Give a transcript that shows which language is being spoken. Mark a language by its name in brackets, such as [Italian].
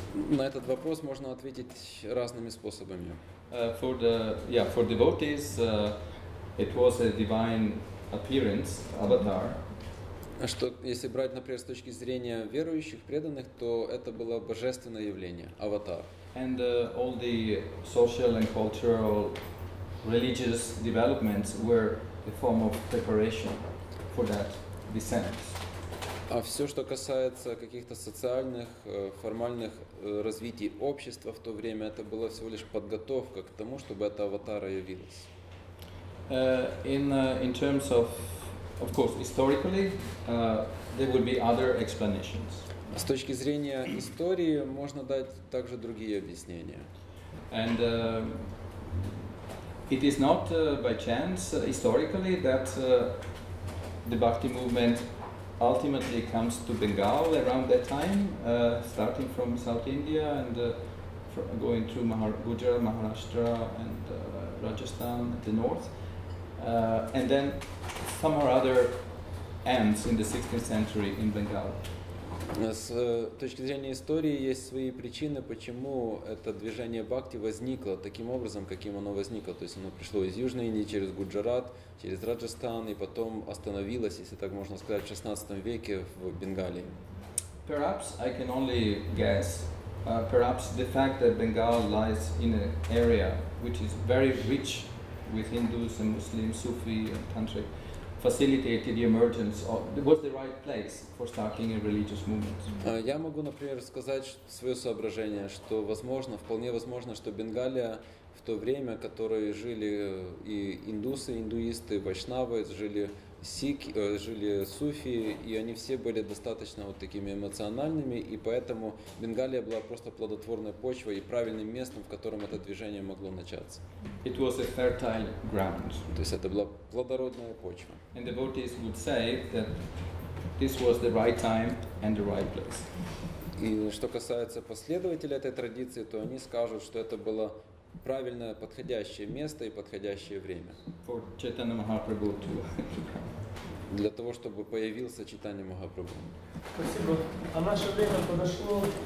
[Russian] На этот вопрос можно ответить разными способами. [English] For devotees, it was a divine appearance, avatar. [Russian] Что, если брать, например, с точки зрения верующих, преданных, то это было божественное явление, аватар. [English] And all the social and cultural religious developments were a form of preparation for that descent. [Russian] А все, что касается каких-то социальных, формальных развитий общества в то время, это было всего лишь подготовка к тому, чтобы эта аватара явилась. [English] In terms of course, historically, there would be other explanations. [Russian] С точки зрения истории можно дать также другие объяснения. [English] And it is not by chance historically that the Bhakti movement ultimately comes to Bengal around that time, starting from South India and going through Gujarat, Maharashtra and Rajasthan at the north, and then somewhere other ends in the 16th century in Bengal. [Russian] С точки зрения истории есть свои причины, почему это движение Бхакти возникло таким образом, каким оно возникло. То есть оно пришло из Южной Индии через Гуджарат, через Раджастан и потом остановилось, если так можно сказать, в 16 веке в Бенгалии. [English] Perhaps I can only guess. Perhaps the fact that Bengal lies in an area which is very rich with Hindus and Muslims, Sufi and Tantric, facilitated the emergence of was the right place for starting a religious movement. [Russian] Я могу, например, сказать своё соображение, что возможно, вполне возможно, что Бенгалия в то время, которые жили и индусы, индуисты, вайшнавы, жили сикхи, жили суфии, и они все были достаточно вот такими эмоциональными, и поэтому Бенгалия была просто плодотворной почвой и правильным местом, в котором это движение могло начаться. [English] It was a fertile ground. [Russian] То есть это была плодородная почва. [English] And the devotees would say that this was the right time and the right place. [Russian] И что касается последователей этой традиции, то они скажут, что это было правильное подходящее место и подходящее время. [English] For Chaitanya Mahaprabhu to... [Russian] Для того, чтобы появился Чайтанья Махапрабху. Спасибо. А наше время подошло.